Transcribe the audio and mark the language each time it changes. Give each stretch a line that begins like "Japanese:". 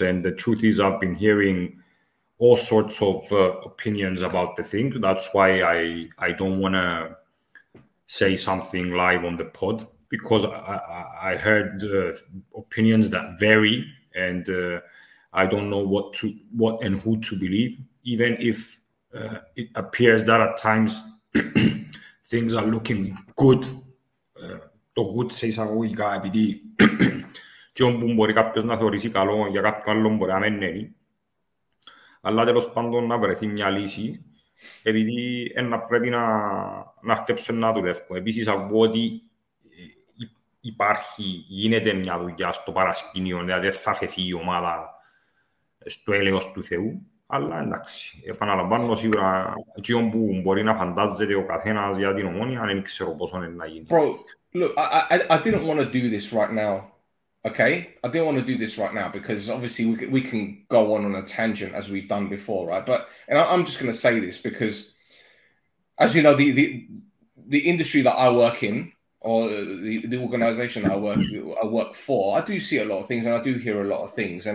English: And the truth is, I've been hearing all sorts of opinions about the thing. That's why I don't want to say something live on the pod, because I heard opinions that vary, and I don't know what and who to believe. Even if it appears that at times things are looking good,
Greek: το good σε εισαγωγικά, επειδή και όμπου μπορεί κάποιος να θεωρήσει καλό, για κάποιο άλλο μπορεί να μην είναι. Αλλά τέλος πάντων να βρεθεί μια λύση, επειδή ένα πρέπει να αρκέψουν να δουλεύουν. Επίσης ακούω ότι υπάρχει, γίνεται μια δουλειά στο παρασκήνιο, δηλαδή θα φεθεί η ομάδα στο έλεος του Θεού. Αλλά εντάξει, επαναλαμβάνω σίγουρα και όμπου μπορεί να φαντάζεται ο καθένας για την Ομόνια, αν δεν ξέρω πόσο είναι να γίνει.
English: Bro, look, I didn't want to do this right now, okay? I didn't want to do this right now because obviously we can go on a tangent as we've done before, right? But, and I'm just going to say this because, as you know, the industry that I work in, or the organization that I work for, I do see a lot of things and I do hear a lot of things.